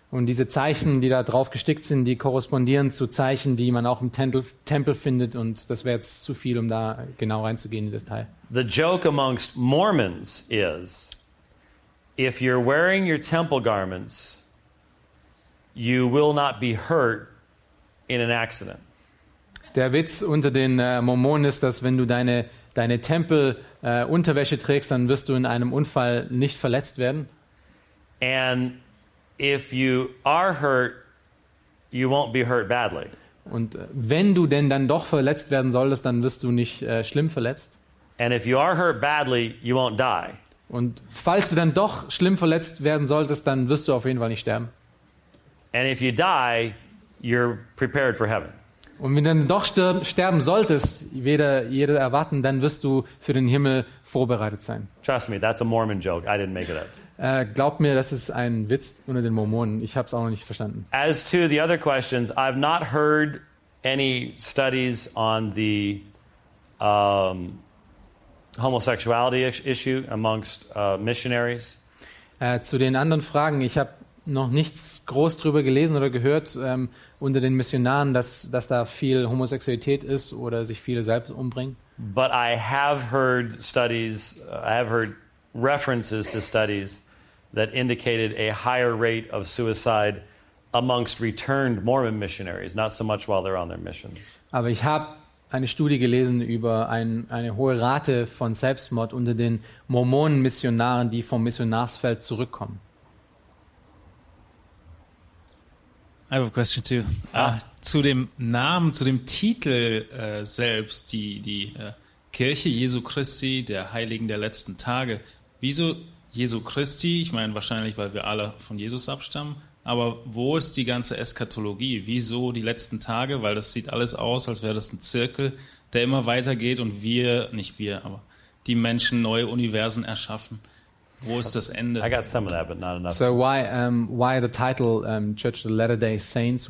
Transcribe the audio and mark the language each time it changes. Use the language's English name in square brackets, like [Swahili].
[German] Und diese Zeichen, die da drauf gestickt sind, die korrespondieren zu Zeichen, die man auch im Tempel findet, und das wäre jetzt zu viel, um da genau reinzugehen in das Teil. [English] The joke amongst Mormons is, if you're wearing your temple garments, you will not be hurt in an accident. [German] Der Witz unter den Mormonen ist, dass wenn du deine Tempel-Unterwäsche trägst, dann wirst du in einem Unfall nicht verletzt werden. [English] And if you are hurt, you won't be hurt badly. [German] Und wenn du denn dann doch verletzt werden solltest, dann wirst du nicht schlimm verletzt. [English] And if you are hurt badly, you won't die. [German] Und falls du dann doch schlimm verletzt werden solltest, dann wirst du auf jeden Fall nicht sterben. [English] And if you die, you're prepared for heaven. [German] Und wenn du dann doch sterben solltest, weder jeder erwarten, dann wirst du für den Himmel vorbereitet sein. [English] Trust me, that's a Mormon joke. I didn't make it up. [German] Glaub mir, das ist ein Witz unter den Mormonen. Ich habe es auch noch nicht verstanden. [English] As to the other questions, I've not heard any studies on the homosexuality issue amongst missionaries. [German] Zu den anderen Fragen, ich habe noch nichts groß drüber gelesen oder gehört unter den Missionaren, dass da viel Homosexualität ist oder sich viele selbst umbringen. [English] But I have heard studies, I have heard references to studies that indicated a higher rate of suicide amongst returned Mormon missionaries, not so much while they're on their missions. [German] Aber ich habe eine Studie gelesen über eine hohe Rate von Selbstmord unter den Mormonen-Missionaren, die vom Missionarsfeld zurückkommen. [English] I have a question too. [German] Zu dem Namen, zu dem Titel selbst, die Kirche Jesu Christi, der Heiligen der letzten Tage. Wieso Jesu Christi? Ich meine, wahrscheinlich, weil wir alle von Jesus abstammen. Aber wo ist die ganze Eschatologie? Wieso die letzten Tage? Weil das sieht alles aus, als wäre das ein Zirkel, der immer weitergeht und die Menschen neue Universen erschaffen. Wo ist das Ende? [English] I got some of that, but not enough. So why the title Church of the Latter-day Saints?